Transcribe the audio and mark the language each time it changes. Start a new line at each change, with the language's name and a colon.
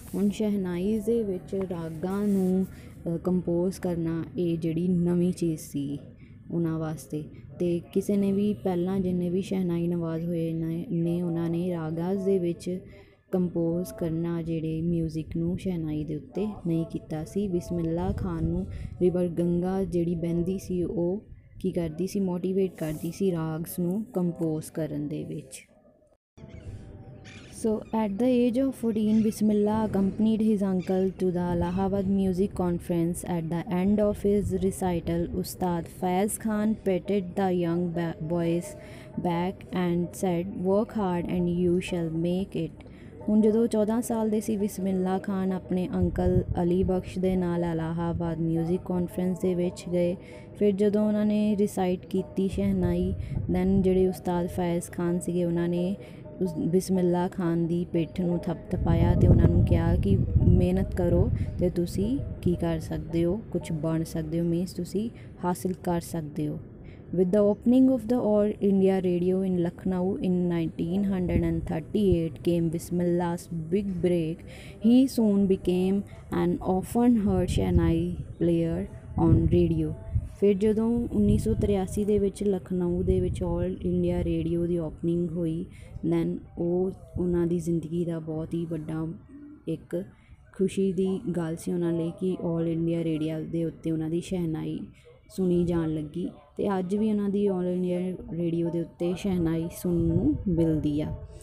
Punjabi: ਹੁਣ ਸ਼ਹਿਨਾਈ ਦੇ ਵਿੱਚ ਰਾਗਾਂ ਨੂੰ ਕੰਪੋਜ਼ ਕਰਨਾ ਇਹ ਜਿਹੜੀ ਨਵੀਂ ਚੀਜ਼ ਸੀ ਉਹਨਾਂ ਵਾਸਤੇ, ਅਤੇ ਕਿਸੇ ਨੇ ਵੀ ਪਹਿਲਾਂ ਜਿੰਨੇ ਵੀ ਸ਼ਹਿਨਾਈ ਨਵਾਜ਼ ਹੋਏ ਨੇ ਉਹਨਾਂ ਨੇ ਰਾਗਾਸ ਦੇ ਵਿੱਚ ਕੰਪੋਜ਼ ਕਰਨਾ ਜਿਹੜੇ ਮਿਊਜ਼ਿਕ ਨੂੰ ਸ਼ਹਿਨਾਈ ਦੇ ਉੱਤੇ ਨਹੀਂ ਕੀਤਾ ਸੀ. ਬਿਸਮਿਲ੍ਲਾ ਖਾਨ ਨੂੰ ਰਿਵਰ ਗੰਗਾ ਜਿਹੜੀ ਬਹਿੰਦੀ ਸੀ ਉਹ ਕੀ ਕਰਦੀ ਸੀ, ਮੋਟੀਵੇਟ ਕਰਦੀ ਸੀ ਰਾਗਸ ਨੂੰ ਕੰਪੋਜ਼ ਕਰਨ ਦੇ ਵਿੱਚ.
English: So at the age of 14, Bismillah accompanied his uncle to the Allahabad Music Conference. At the end of his recital, Ustad Faiz Khan patted the young boy's back and said, "Work hard and you shall make it."
Punjabi: ਹੁਣ ਜਦੋਂ 14 ਸਾਲ ਦੇ ਸੀ, ਬਿਸਮਿਲ੍ਲਾ ਖਾਨ ਆਪਣੇ uncle Ali ਬਖਸ਼ ਦੇ ਨਾਲ Allahabad music conference ਦੇ ਵਿੱਚ ਗਏ. ਫਿਰ ਜਦੋਂ ਉਹਨਾਂ ਨੇ ਰਿਸਾਈਟ ਕੀਤੀ ਸ਼ਹਿਨਾਈ, ਦੈਨ ਜਿਹੜੇ ਉਸਤਾਦ ਫੈਜ਼ ਖਾਨ ਸੀਗੇ ਉਹਨਾਂ ਨੇ ਉਸ ਬਿਸਮਿਲ੍ਲਾ ਖਾਨ ਦੀ ਪਿੱਠ ਨੂੰ ਥਪਥਪਾਇਆ ਅਤੇ ਉਹਨਾਂ ਨੂੰ ਕਿਹਾ ਕਿ ਮਿਹਨਤ ਕਰੋ ਅਤੇ ਤੁਸੀਂ ਕੀ ਕਰ ਸਕਦੇ ਹੋ, ਕੁਛ ਬਣ ਸਕਦੇ ਹੋ, ਮੀਨਸ ਤੁਸੀਂ ਹਾਸਿਲ ਕਰ ਸਕਦੇ ਹੋ.
English: With the opening of the All India Radio in Lucknow in 1938 came Bismillah's big break. He soon became an often heard Shehnai player on radio.
Punjabi: ਫਿਰ ਜਦੋਂ 1983 ਦੇ ਵਿੱਚ ਲਖਨਊ ਦੇ ਵਿੱਚ ਆਲ ਇੰਡੀਆ ਰੇਡੀਓ ਦੀ ਓਪਨਿੰਗ ਹੋਈ, ਦੈਨ ਉਹ ਉਹਨਾਂ ਦੀ ਜ਼ਿੰਦਗੀ ਦਾ ਬਹੁਤ ਹੀ ਵੱਡਾ ਇੱਕ ਖੁਸ਼ੀ ਦੀ ਗੱਲ ਸੀ ਉਹਨਾਂ ਲਈ ਕਿ ਆਲ ਇੰਡੀਆ ਰੇਡੀਆ ਦੇ ਉੱਤੇ ਉਹਨਾਂ ਦੀ ਸ਼ਹਿਨਾਈ ਸੁਣੀ ਜਾਣ ਲੱਗੀ, ਅਤੇ ਅੱਜ ਵੀ ਉਹਨਾਂ ਦੀ ਆਲ ਇੰਡੀਆ ਰੇਡੀਓ ਦੇ ਉੱਤੇ ਸ਼ਹਿਨਾਈ ਸੁਣਨ ਨੂੰ ਮਿਲਦੀ ਆ.